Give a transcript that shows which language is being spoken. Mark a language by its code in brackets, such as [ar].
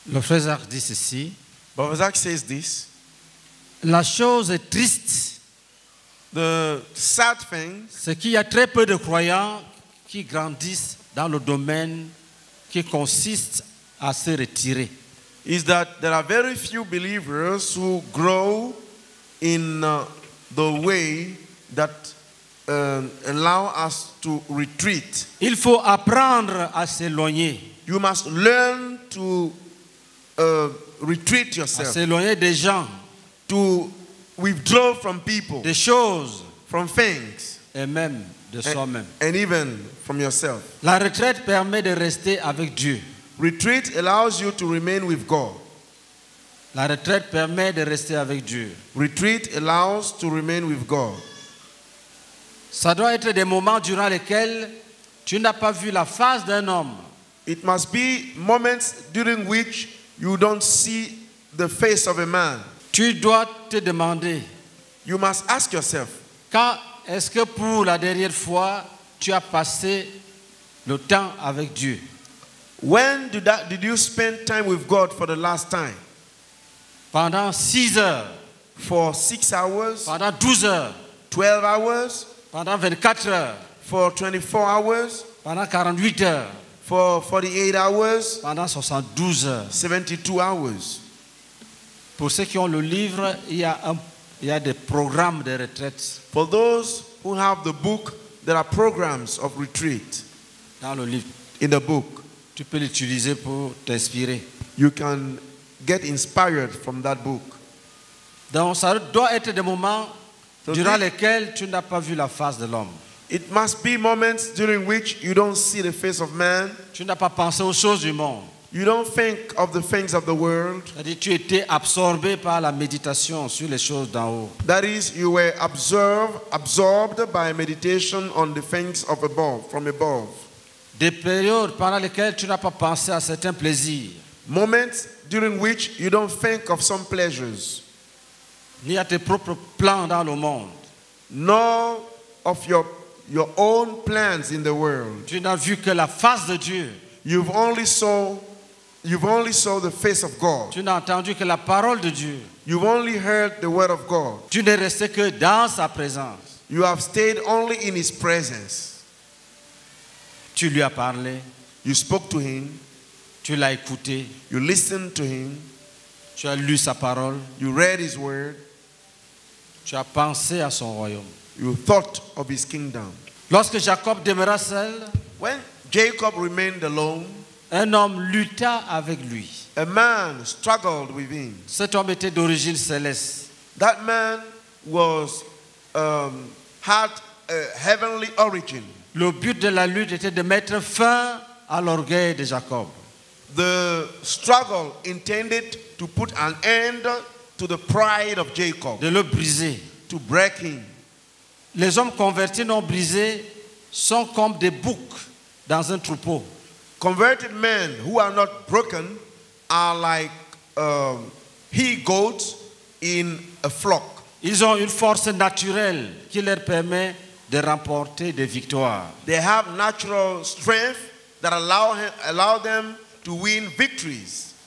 [fr] Le Frézard dit ceci. [en] Bavazak says this. [fr] La chose est triste. [en] The sad thing. [fr] C'est qu'il y a très peu de croyants qui grandissent dans le domaine qui consiste à se retirer. [en] Is that there are very few believers who grow in the way that allow us to retreat. [fr] Il faut apprendre à s'éloigner. [en] You must learn to retreat yourself. [fr] À s'éloigner des gens. [en] To withdraw from people. [fr] Des choses. [en] From things. [fr] Et même de soi-même. [en] And even from yourself. [fr] La retraite permet de rester avec Dieu. [en] Retreat allows you to remain with God. [fr] La retraite permet de rester avec Dieu. [en] Retreat allows to remain with God. [fr] Ça doit être des moments durant lesquels tu n'as pas vu la face d'un homme. [en] It must be moments during which you don't see the face of a man. [fr] Tu dois te demander. [en] You must ask yourself. [fr] Quand est-ce que pour la dernière fois tu as passé le temps avec Dieu? [en] When did you spend time with God for the last time? [fr] Pendant 6 heures. [en] For 6 hours. [fr] Pendant 12 heures. [en] 12 hours. [fr] Pendant 24 heures. [en] For 24 hours. [fr] Pendant 48 heures. [en] For 48 hours. [fr] Pendant 72 heures. [en] 72 hours. [fr] Pour ceux qui ont le livre, il y a des programmes de retraite. [en] For those who have the book, there are programs of retreat. [fr] Dans le livre. [en] In the book. [fr] Tu peux l'utiliser pour t'inspirer. [en] You can get inspired from that book. [fr] Donc ça doit être des moments durant lesquels tu n'as pas vu la face de l'homme. [en] It must be moments during which you don't see the face of man. [fr] Tu n'as pas pensé aux choses du monde. [en] You don't think of the things of the world. [fr] C'est-à-dire, tu étais absorbé par la méditation sur les choses d'en haut. [en] That is, you were absorbed by meditation on the things of above, from above. [fr] Des périodes pendant lesquelles tu n'as pas pensé à certains plaisirs. [en] Moments during which you don't think of some pleasures. [fr] Ni à tes propres plans dans le monde. [en] Nor of your own plans in the world. [fr] Tu n'as vu que la face de Dieu. [en] You've only saw the face of God. [fr] Tu n'as entendu que la parole de Dieu. [en] You've only heard the word of God. [fr] Tu n'es resté que dans sa présence. [en] You have stayed only in his presence. [fr] Tu lui as parlé. [en] You spoke to him. [fr] Tu l'as écouté. [en] You listened to him. [fr] Tu as lu sa parole. [en] You read his word. [fr] Tu as pensé à son royaume. [en] You thought of his kingdom. [fr] Lorsque Jacob demeura seul, [en] when Jacob remained alone, [fr] un homme lutta avec lui. [en] A man struggled with him. [fr] Cet homme était d'origine céleste. [en] That man was had a heavenly origin. [fr] Le but de la lutte était de mettre fin à l'orgueil de Jacob. [en] The struggle intended to put an end to the pride of Jacob. [fr] De le briser. [en] To break him. [fr] Les hommes convertis non brisés sont comme des boucs dans un troupeau. [en] Converted men who are not broken are like he goats in a flock. [fr] Ils ont une force naturelle qui leur permet de remporter des victoires. [en] They have natural strength that allow them to win victories.